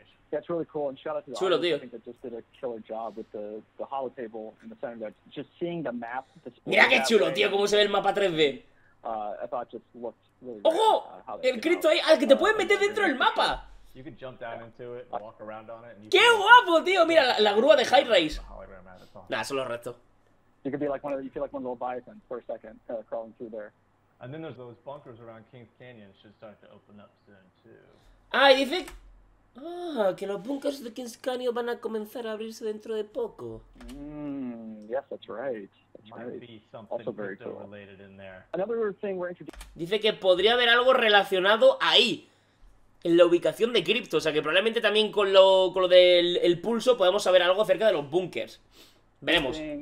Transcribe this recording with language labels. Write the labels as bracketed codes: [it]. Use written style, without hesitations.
[en] That's really cool, and shout out to the audience. I think that just did a killer job with the holo table in the center there. Just seeing the map. [es] Mira qué chulo, way, tío, cómo se ve el mapa 3D. [en] I thought just looked really. [es] Ojo, el Crypto ahí, al que te puedes meter dentro del mapa. [en] You can jump down into it and walk around on it. [es] Qué guapo, tío. Mira la grúa de High Race. Nah, solo resto. [en] You could be like one of, you feel like one of the bison for a second, crawling through there. And then there's those bunkers around Kings Canyon. Should start to open up soon too. Ah, you think? [es] Ah, que los bunkers de Kings Canyon van a comenzar a abrirse dentro de poco. [en] Yes, that's right. That's might Be also very cool. Related in there. Another thing we're introducing. [es] Dice que podría haber algo relacionado ahí, en la ubicación de Crypto. O sea, que probablemente también con lo del el pulso podemos saber algo acerca de los bunkers. Veremos.